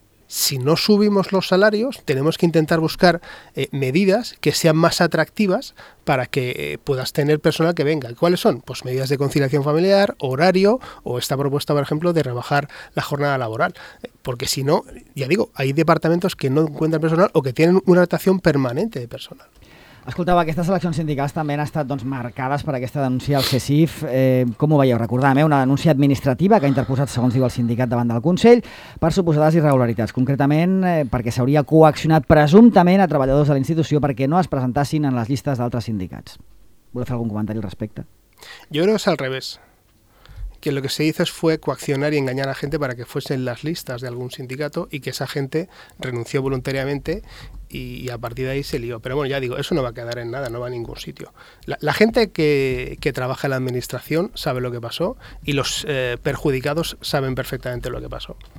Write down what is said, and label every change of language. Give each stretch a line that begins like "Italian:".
Spanish: Si no subimos los salarios, tenemos que intentar buscar medidas que sean más atractivas para que puedas tener personal que venga. ¿Cuáles son? Pues medidas de conciliación familiar, horario o esta propuesta, por ejemplo, de rebajar la jornada laboral. Porque si no, ya digo, hay departamentos que no encuentran personal o que tienen una rotación permanente de personal.
Catalan: Escoltava, aquestes eleccions sindicals també han estat doncs, marcades per aquesta denúncia al CESIF. Com ho veieu? Recordem, una denúncia administrativa que ha interposat, segons diu el sindicat, davant del Consell per suposades irregularitats. Concretament, perquè s'hauria coaccionat presumptament a treballadors de la institució perquè no es presentassin en les llistes d'altres sindicats. Voleu fer algun comentari al respecte? Jo crec que és al revés.
Spanish: Que lo que se hizo fue coaccionar y engañar a gente para que fuesen las listas de algún sindicato y que esa gente renunció voluntariamente y a partir de ahí se lió. Pero bueno, ya digo, eso no va a quedar en nada, no va a ningún sitio. La gente que trabaja en la administración sabe lo que pasó y los perjudicados saben perfectamente lo que pasó.